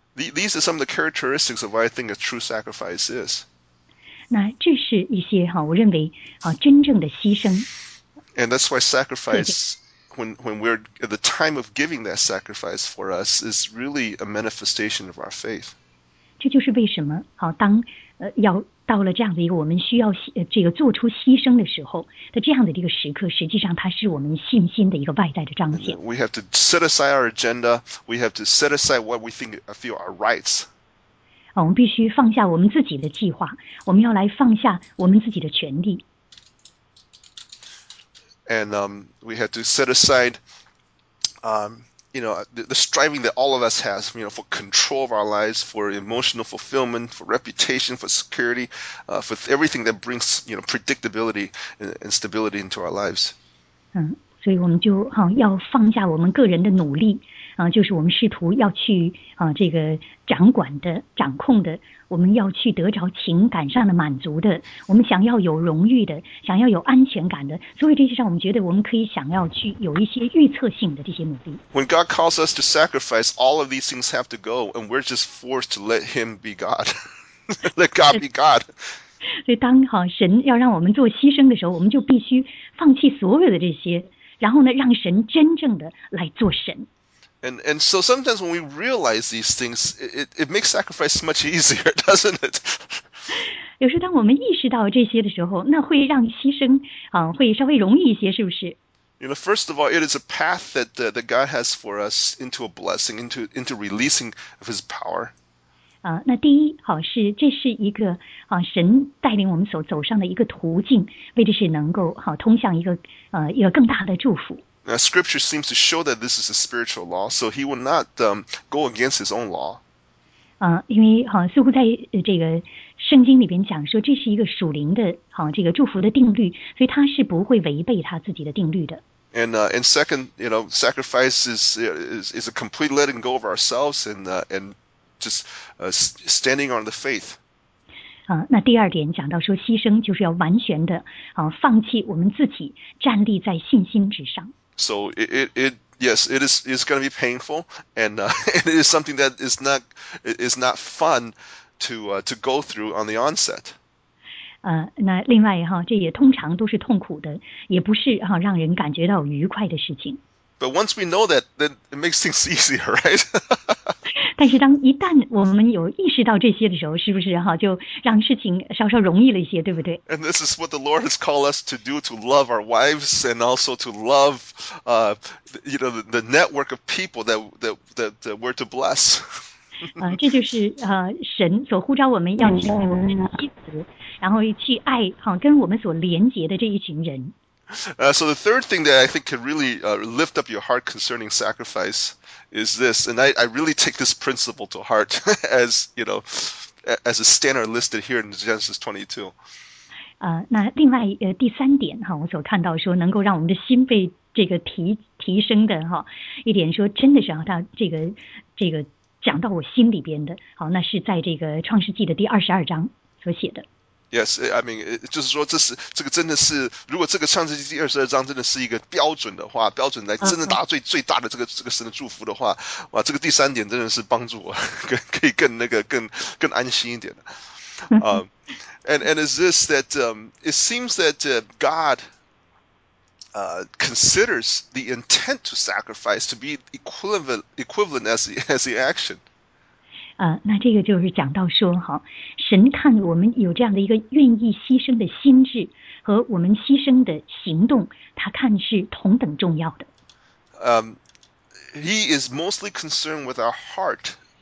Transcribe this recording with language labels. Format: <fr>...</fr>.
<en>These are some of the characteristics of what I think a true sacrifice is.</en> <zh>那这是一些我认为真正的牺牲。</zh> <en>And that's why sacrifice, when we're at the time of giving that sacrifice for us, is really a manifestation of our faith.</en> <zh>这就是为什么当要到了这样的一个我们需要这个做出牺牲的时候的这样的一个时刻，实际上它是我们信心的一个外在的彰显。</zh> <en>We have to set aside our agenda. We have to set aside what we think or feel our rights.</en> <zh>我们必须放下我们自己的计划，我们要来放下我们自己的权利。</zh> <en>And we have to set aside, the striving that all of us has, for control of our lives, for emotional fulfillment, for reputation, for security, for everything that brings, predictability and stability into our lives.</en> <zh>所以我们就要放下我们个人的努力，就是我们试图要去这个掌管的、掌控的，我们要去得着情感上的满足的，我们想要有荣誉的，想要有安全感的，所以这些上我们觉得我们可以想要去有一些预测性的这些努力。</zh> <en>When God calls us to sacrifice, all of these things have to go, and we're just forced to let Him be God. Let God be God.</en> <zh>所以当神要让我们做牺牲的时候，我们就必须放弃所有的这些，然后呢，让神真正的来做神。</zh> <en>And so sometimes when we realize these things, it makes sacrifice much easier, doesn't it?</en> <zh>有时候当我们意识到这些的时候，那会让牺牲会稍微容易一些，是不是？</zh> <en>First of all, it is a path that God has for us into a blessing, into releasing of His power.</en> <zh>那第一，好，是这是一个神带领我们所走上的一个途径，为的是能够通向一个更大的祝福。</zh> <en>Now, scripture seems to show that this is a spiritual law, so he will not go against his own law.</en> <zh>因为似乎在这个圣经里边讲说这是一个属灵的这个祝福的定律，所以他是不会违背他自己的定律的。</zh> <en>And second, you know, sacrifice is a complete letting go of ourselves and just standing on the faith.</en> <zh>那第二点讲到说牺牲就是要完全的放弃我们自己，站立在信心之上。</zh> <en>So it is going to be painful, and it is something that is not fun to go through on the onset.</en> <zh>那另外这也通常都是痛苦的，也不是让人感觉到愉快的事情。</zh> <en>But once we know that, then it makes things easier, right?</en> <zh>但是当一旦我们有意识到这些的时候，是不是就让事情稍稍容易了一些，对不对？</zh> <en>And this is what the Lord has called us to do, to love our wives and also to love, the network of people that we're to bless.</en> <zh>这就是神所呼召我们要去爱我们的妻子，然后去爱跟我们所连结的这一群人。</zh> <en>So the third thing that I think can really lift up your heart concerning sacrifice is this, and I really take this principle to heart as a standard listed here in Genesis 22.</en> <zh>那另外第三点我所看到说能够让我们的心被这个提升的一点说真的是他这个讲到我心里边的那是在这个创世纪的第22章所写的。</zh> <en>Yes, I mean,</en> <zh>就是说这是这个真的是，如果这个创世纪第二十二章真的是一个标准的话，标准来真的达到最大的这个神的祝福的话，哇，这个第三点真的是帮助我可以更那个更安心一点的。</zh> <en>And is this that it seems that God considers the intent to sacrifice to be equivalent as the action.</en> <zh>那这个就是讲到说神看我们有这样的一个愿意牺牲的心智和我们牺牲的行动，他看是同等重要的。</zh> <en>He is mostly concerned with our heart.</en>